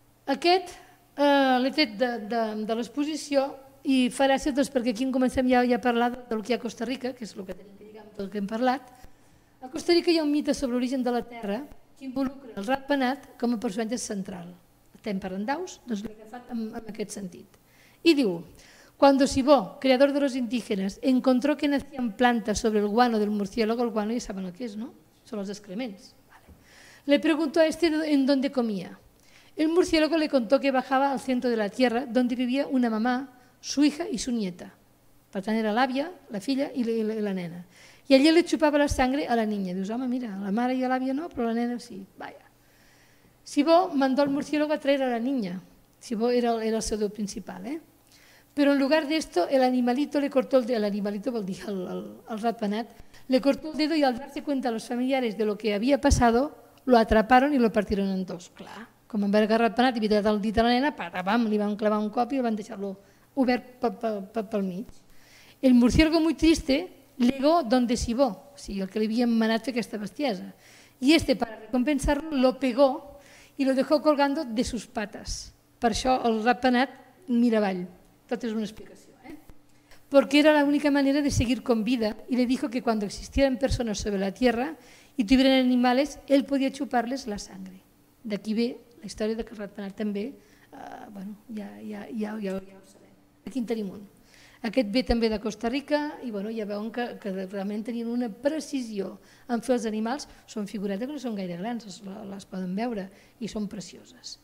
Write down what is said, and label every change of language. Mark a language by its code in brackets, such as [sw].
[ca] Aquest l'he tret de l'exposició i fa gràcia doncs, perquè aquí comencem ja a parlar del que hi ha a Costa Rica, que és el que tenim que lligar amb tot el que hem parlat. A Costa Rica hi ha un mite sobre l'origen de la Terra que involucra el ratpenat com a personatge central. Estem parlant d'aus, doncs l'he agafat en aquest sentit. [es] Y digo, cuando Sibó, creador de los indígenas, encontró que nacían plantas sobre el guano del murciélago, el guano ya saben lo que es, ¿no? Son los excrementos. Vale. Le preguntó a este en dónde comía. El murciélago le contó que bajaba al centro de la tierra, donde vivía una mamá, su hija y su nieta. Por tanto, era [ca] la avia, la filla [es] y la nena. Y allí le chupaba la sangre a la niña. Dios, hombre, mira, la madre y la avia no, pero la nena sí. Vaya. Sibó mandó al murciélago a traer a la niña. [ca] Sibó era el seu déu principal, Però en lloc d'això, [es] l'animalito li cortó el dedo, [ca] l'animalito vol dir el ratpenat, [es] li cortó el dedo i al darse cuenta a los familiares de lo que había pasado, lo atraparon y lo partieron en dos. [ca] Clar, com en verga ratpenat i vidat el dit a la nena, para, bam, li van clavar un cop i el van deixar-lo obert pel mig. [es] El murciélago muy triste llegó donde Sibó, [ca] o sigui, el que li havien manat fer aquesta bestiesa, [es] y este, para recompensarlo, lo pegó y lo dejó colgando de sus patas. [ca] Per això el ratpenat mira avall. Tot és una explicació. [es] Porque era la única manera de seguir con vida y le dijo que cuando existieran personas sobre la tierra y tuvieran animales, él podía chuparles la sangre. [ca] D'aquí ve la història de que el ratpenat també, bueno, ja ho sabem. Aquí en tenim un. Aquest ve també de Costa Rica i bueno, ja veuen que realment tenien una precisió en fer els animals. Són figuretes que no són gaire grans, les poden veure i són precioses.